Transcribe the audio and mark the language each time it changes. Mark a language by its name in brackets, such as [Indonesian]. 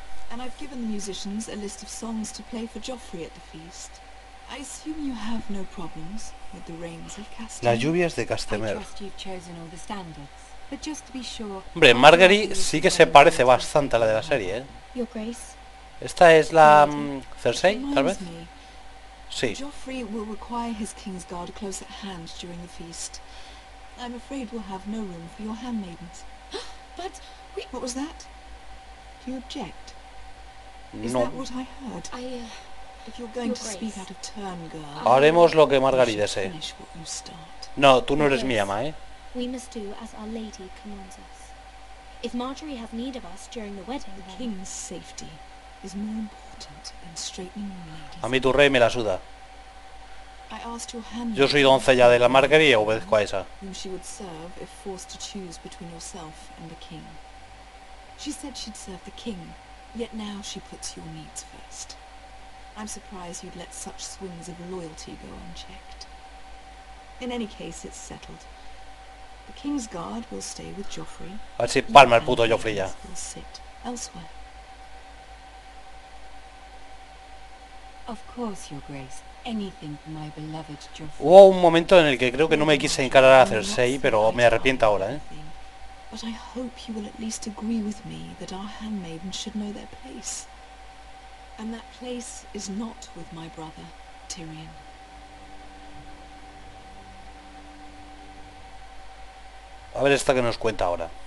[English] And I've given the musicians a list of songs to play for Joffrey at the feast. I assume you have no problems with the rains of Castamere. [Spanish] Las lluvias de Castamere. [English] I trust you've chosen all the standards. But just to be sure. [Spanish] Hombre, Margaery sí que se parece bastante a la de la serie, ¿eh? [English] Your Grace. [Spanish] Esta es la Cersei, tal vez. Sí. [English] Joffrey will require his King's Guard close at hand during the feast. I'm afraid we'll have no room for your handmaidens. But wait, what was that? Do you object? No. Is that what I heard? If you're going Your to speak out of turn, girl, [Spanish] haremos lo que Margaery desee. No, tú no eres [English] yes, [Spanish] mi ama, ¿eh? [English] We must do as our lady commands us. If Marjorie has need of us during the wedding, the king's safety is more important than straightening your lady's. [Spanish] A mí tu rey me la suda. [English] I asked your hand. [Spanish] Yo soy doncella de la Margaery, obedezco a esa. [English] Whom she would serve if forced to choose between yourself and the king. She said she'd serve the king, yet now she puts your needs first. I'm surprised you'd let such swings of loyalty go unchecked. In any case, it's settled. The King's Guard will stay with Joffrey. [Spanish] A ver si palma el puto Joffrey ya. [English] We'll sit elsewhere. Of course, Your Grace. Anything for my beloved Joffrey. [Spanish] Hubo un momento en el que creo que no me quise encarar a Cersei, pero me arrepiento ahora, ¿eh? [English] But I hope you will at least agree with me that our handmaidens should know their place. And that place is not with my brother, Tyrion. [Spanish] A ver esta que nos cuenta ahora.